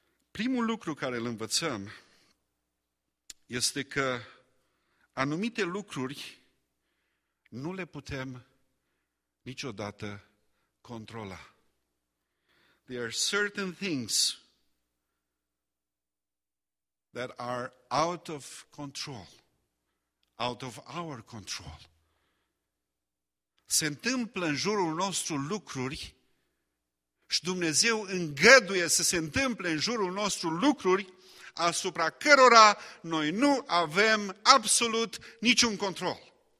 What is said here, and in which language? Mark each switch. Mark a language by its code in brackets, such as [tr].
[ro] Primul lucru care îl învățăm este că anumite lucruri nu le putem niciodată controla. [en] There are certain things that are out of control, out of our control. [ro] Se întâmplă în jurul nostru lucruri și Dumnezeu îngăduie să se întâmple în jurul nostru lucruri asupra cărora noi nu avem absolut niciun control.